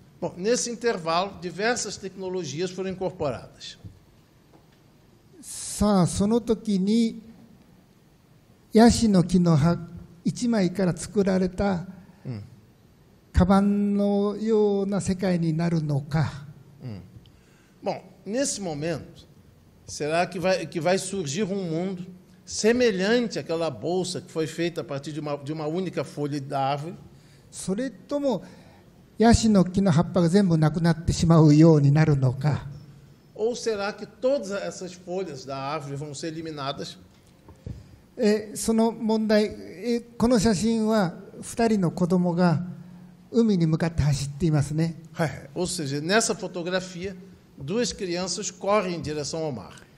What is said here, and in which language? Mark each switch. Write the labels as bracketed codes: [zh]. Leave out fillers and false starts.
[pt] Bom, nesse intervalo, diversas tecnologias foram incorporadas. [ja] さあ、その時にヤシの木の葉一枚から作られたカバンのような世界になるのか。 [pt] Bom, nesse momento, será que vai surgir um mundo semelhante àquela bolsa que foi feita a partir de uma única folha da árvore? [ja] それともヤシの木の葉っぱが全部なくなってしまうようになるのか。 [pt] Ou será que todas essas folhas da árvore vão ser eliminadas? [ja] その問題、この写真は2人の子供が海に向かって走っていますね。 [pt] Ou seja, nessa fotografia, duas crianças correm em direção ao mar.